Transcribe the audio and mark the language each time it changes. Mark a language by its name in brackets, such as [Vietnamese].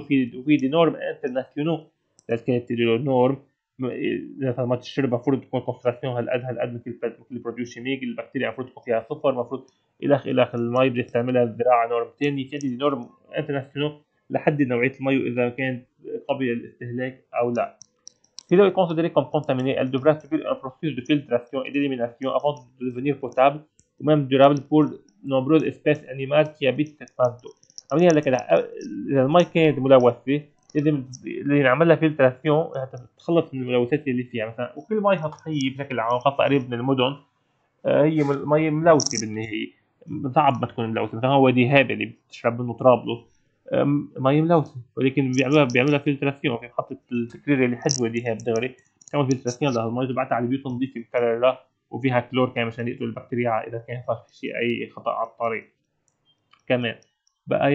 [Arabic] في دي نورم انترناسيونال كانت النورم، مثلا ما تشرب المفروض تكون كونسنتراسيون هالقد هالقد، مثل البروديو شيميك البكتيريا المفروض تكون فيها صفر، المفروض الخ المي بدي استعملها الزراعة نورم ثاني، في عندي نورم انترناسيونال لحد نوعية المي واذا كانت قابلة للاستهلاك او لا. [French] Si l'eau est considérée comme contaminée, elle devra subir un processus de filtration et d'élimination avant de devenir potable ou même durable pour nombreuses espèces animales qui habitent cette phase d'eau. [Arabic] عمليا لك اذا المي كانت ملوثة اذا اللي نعمل لها فلتراسيون تخلص من الملوثات اللي فيها مثلا، وكل ماي سطحي بشكل عام خاصه قريب من المدن هي مي ملوثه بالنهايه، صعب ما تكون ملوثه، مثلا هو وادي هابي اللي بتشرب منه طرابلس ماي ملوثه، ولكن بيعملها فلتراسيون في محطه التكرير اللي حد وادي هابي دغري، تعمل فلتراسيون لها المي تبعتها على بيوت نظيفه مكرره وفيها كلور كمان عشان يقتل البكتيريا اذا كان صار في شيء اي خطا على الطريق كمان بقى.